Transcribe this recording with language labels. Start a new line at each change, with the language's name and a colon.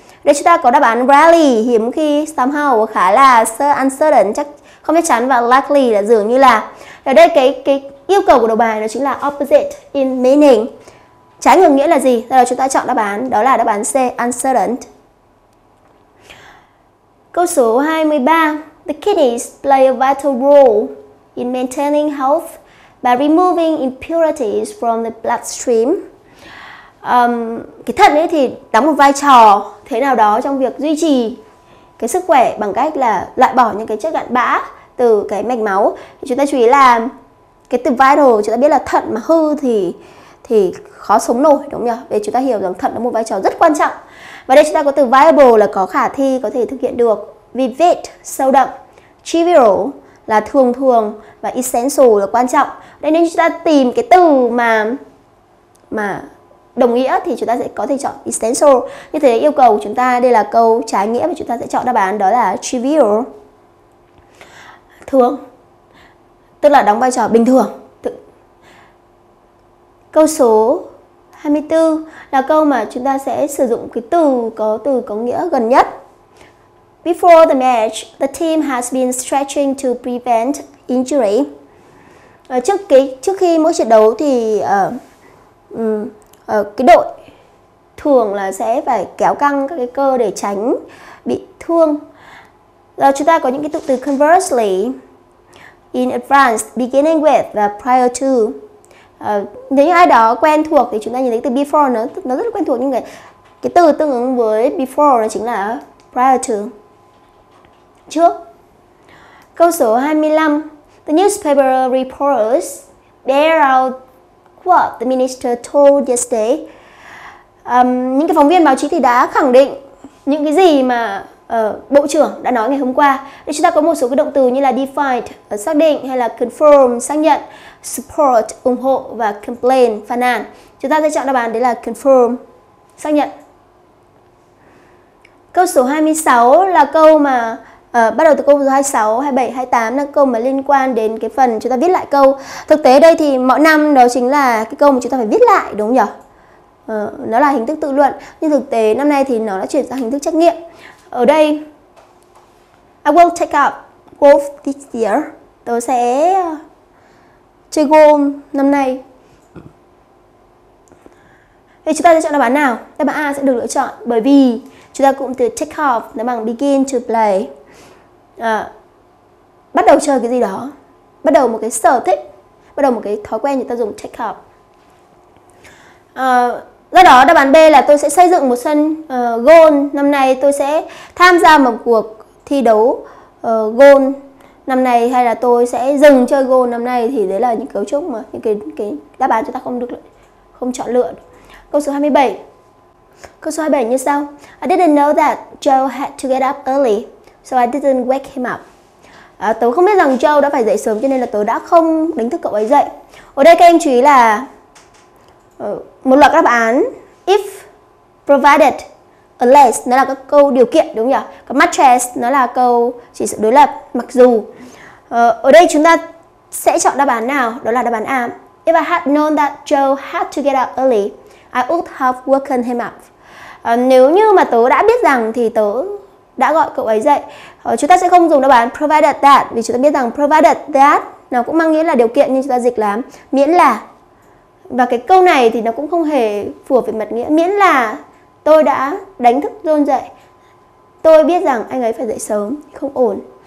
Vietnamese: Đây chúng ta có đáp án rarely, hiếm khi, somehow, khá là uncertain, chắc không chắc chắn, và likely là dường như là. Ở đây cái yêu cầu của đầu bài nó chính là
English: opposite in meaning.
Vietnamese: Trái ngược nghĩa là gì? Đây là chúng ta chọn đáp án, đó là đáp án C, uncertain. Câu số 23,
English: the kidneys play a vital role in maintaining health by removing impurities from the bloodstream.
Vietnamese: Cái thận ấy thì đóng một vai trò thế nào đó trong việc duy trì cái sức khỏe bằng cách là loại bỏ những cái chất cặn bã từ cái mạch máu. Thì chúng ta chú ý là cái từ vital, chúng ta biết là thận mà hư thì khó sống nổi, đúng không nhỉ? Vậy chúng ta hiểu rằng thận đóng một vai trò rất quan trọng. Và đây chúng ta có từ viable là có khả thi, có thể thực hiện được. Vivid, sâu đậm. Trivial là thường thường. Và essential là quan trọng. Đây nên chúng ta tìm cái từ mà đồng nghĩa thì chúng ta sẽ có thể chọn essential. Như thế yêu cầu của chúng ta, đây là câu trái nghĩa và chúng ta sẽ chọn đáp án đó là trivial, thường, tức là đóng vai trò bình thường. Câu số 24 là câu mà chúng ta sẽ sử dụng cái từ có nghĩa gần nhất.
English: Before the match, the team has been stretching to prevent injury.
Vietnamese: Trước khi mỗi trận đấu thì cái đội thường là sẽ phải kéo căng các cái cơ để tránh bị thương. Rồi chúng ta có những cái tục từ conversely, in advance, beginning with và prior to. Nếu như ai đó quen thuộc thì chúng ta nhìn thấy từ before nó rất là quen thuộc, nhưng cái từ tương ứng với before nó chính là prior to, trước. Câu số 25,
English: the newspaper reporters bear out what the minister told yesterday.
Vietnamese: Những cái phóng viên báo chí thì đã khẳng định những cái gì mà bộ trưởng đã nói ngày hôm qua. Đây chúng ta có một số cái động từ như là defined, xác định, hay là confirm, xác nhận, support, ủng hộ, và complain, phàn nàn. Chúng ta sẽ chọn đáp án đấy là confirm, xác nhận. Câu số 26 là câu mà bắt đầu từ câu số 26, 27, 28 là câu mà liên quan đến cái phần chúng ta viết lại câu. Thực tế đây thì mỗi năm đó chính là cái câu mà chúng ta phải viết lại, đúng không nhỉ? Nó là hình thức tự luận, nhưng thực tế năm nay thì nó đã chuyển sang hình thức trắc nghiệm. Ở đây,
English: I will take up golf this year.
Vietnamese: Tôi sẽ chơi golf năm nay. Thì chúng ta sẽ chọn đáp án nào? Đáp án A sẽ được lựa chọn, bởi vì chúng ta cụm từ take off nó bằng
English: begin to play.
Vietnamese: Bắt đầu chơi cái gì đó, bắt đầu một cái sở thích, bắt đầu một cái thói quen, chúng ta dùng take off. Do đó đáp án B là tôi sẽ xây dựng một sân golf năm nay, tôi sẽ tham gia một cuộc thi đấu golf năm nay, hay là tôi sẽ dừng chơi golf năm nay, thì đấy là những cấu trúc mà những cái đáp án chúng ta không chọn lựa. Câu số 27 như sau.
English: I didn't know that Joe had to get up early, so I didn't wake him up.
Vietnamese: Tớ không biết rằng Joe đã phải dậy sớm, cho nên là tớ đã không đánh thức cậu ấy dậy. Ở đây các em chú ý là một loạt đáp án if, provided, unless, nó là các câu điều kiện, đúng không nhỉ? Còn much as nó là câu chỉ sự đối lập, mặc dù. Ở đây chúng ta sẽ chọn đáp án nào? Đó là đáp án A.
English: If I had known that Joe had to get up early, I would have woken him up.
Vietnamese: Nếu như mà tớ đã biết rằng thì tớ đã gọi cậu ấy dậy. Chúng ta sẽ không dùng đáp án provided that, vì chúng ta biết rằng provided that nó cũng mang nghĩa là điều kiện, nhưng chúng ta dịch là miễn là. Và cái câu này thì nó cũng không hề phù hợp về mặt nghĩa. Miễn là tôi đã đánh thức John dậy, tôi biết rằng anh ấy phải dậy sớm, không ổn.